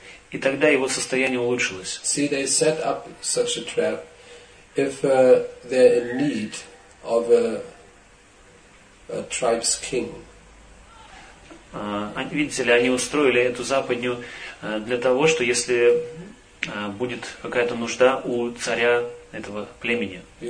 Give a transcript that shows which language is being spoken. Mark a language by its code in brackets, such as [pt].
[ru] И тогда его состояние улучшилось. [en] See, they set up such a trap if they're in need of a tribe's king. [ru] Видите ли, они устроили эту западню для того, что если будет какая-то нужда у царя этого племени.